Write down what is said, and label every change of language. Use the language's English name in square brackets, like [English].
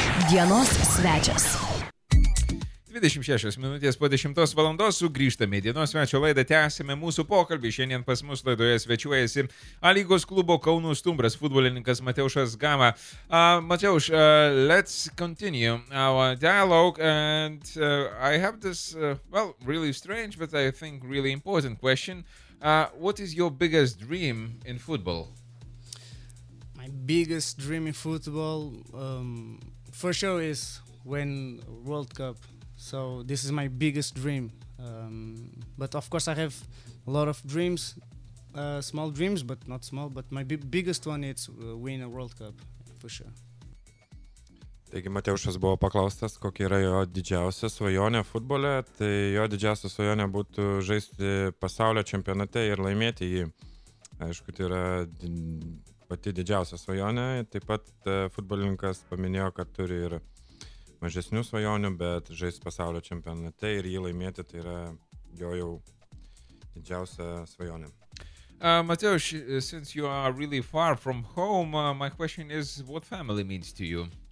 [Lithuanian] Dienos svečias. 10:26 sugrįžtame į dienos svečio laidą, tęsime mūsų pokalbį. Šiandien pas mus laidoje svečiuojasi A lygos klubo Kauno Stumbras futbolininkas Mateušas Gama. [English] Mateuš, let's continue our dialogue and I have this, well, really strange, but I think really important question. What is your biggest dream in football? My biggest dream in football, for sure is win World Cup. So this is my biggest dream. But of course I have a lot of dreams, small dreams, but not small, but my biggest one is win a World Cup, for sure. [Lithuanian] Taigi Mateušas buvo paklaustas, kokia yra jo didžiausia svajonė futbole, tai jo didžiausia svajonė būtų žaisti pasaulio čempionate ir laimėti jį. Aišku, tai yra pati didžiausia svajonė, taip pat futbolininkas paminėjo, kad turi ir mažesnių svajonių, bet žaisti pasaulio čempionate ir jį laimėti, tai yra jo jau didžiausia svajonė. [English] Mateuš, since you are really far from home, my question is, what family means to you?